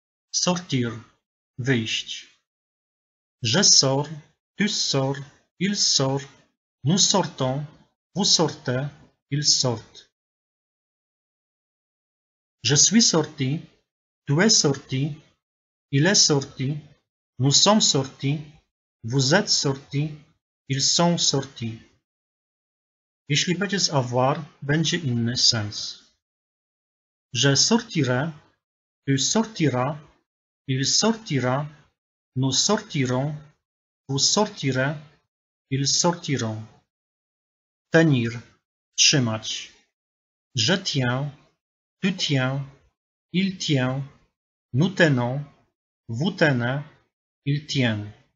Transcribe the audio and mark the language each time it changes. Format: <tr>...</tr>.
<fr>Sortir, wyjść. Je sors, tu sors, il sort, nous sortons, vous sortez, ils sortent. Je suis sorti, tu es sorti, il est sorti, nous sommes sortis, vous êtes sortis, ils sont sortis.</fr> <pl>Jeśli będziesz avoir, będzie inny sens.</pl> <fr>Je sortirai, tu sortiras, il sortira, nous sortirons, vous sortirez, ils sortiront. Tenir, trzymać. Je tiens, tu tiens, il tient, nous tenons, vous tenez, ils tiennent.</fr>